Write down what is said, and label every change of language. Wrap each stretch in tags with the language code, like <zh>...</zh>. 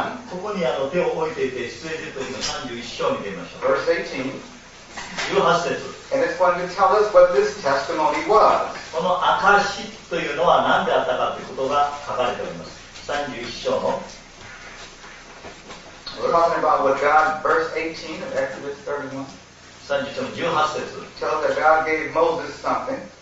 <ja>ここに手を置いていて、出エジプトの31章を見てみましょう。</ja> <en>Verse 18.</en> <ja>18節。</ja> <en>And it's going to tell us what this testimony was.</en> <ja>この証というのは何であったかということが書かれております。 31章の。</ja> <en>We're talking about what God, verse 18 of Exodus 31.</en> <ja>31章18節。</ja> <en>Tell that God gave Moses something.</en>